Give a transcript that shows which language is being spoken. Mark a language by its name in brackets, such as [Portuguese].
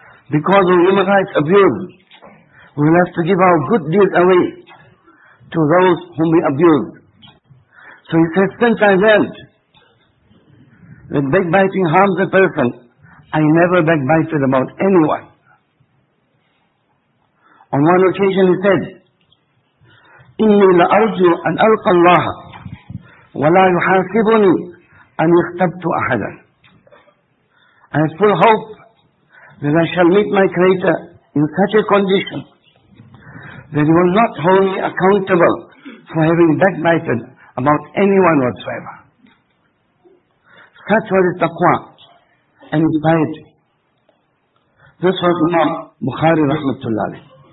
[English] Because of human rights abuse, we will have to give our good deeds away to those whom we abuse. So he says, since I learned that backbiting harms a person, I never backbited about anyone. On one occasion he said, [Arabic] إِنِّي لَأَرْجُوا أَنْ أَلْقَى اللَّهَ وَلَا يُحَاسِبُنِي أَنْ يَخْتَبْتُ أَحَدًا. [English] I have full hope that I shall meet my Creator in such a condition that He will not hold me accountable for having backbited about anyone whatsoever. Such was his taqwa and his piety. This was Imam Bukhari rahmatullah alayh.